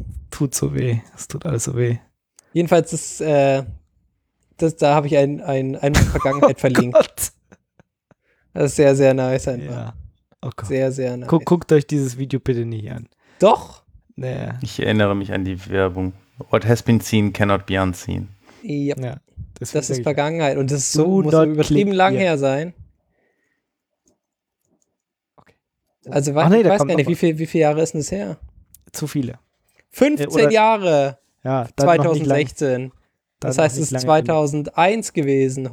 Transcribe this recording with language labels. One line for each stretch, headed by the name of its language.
German: Tut so weh. Es tut alles so weh. Jedenfalls, da habe ich eine Vergangenheit verlinkt. Gott. Das ist sehr, sehr nice einfach. Ja. Oh Gott. Sehr, sehr nice. Guckt euch dieses Video bitte nicht an. Doch. Naja. Ich erinnere mich an die Werbung.
English: What has been seen cannot be unseen.
German: Yep. Ja. Das ist Vergangenheit. Und das ist so, muss so übertrieben lang her sein. Also, ich weiß gar nicht, wie viele Jahre ist denn das her? Zu viele. 15 Jahre! Ja, 2016. Das heißt, es ist 2001 gewesen.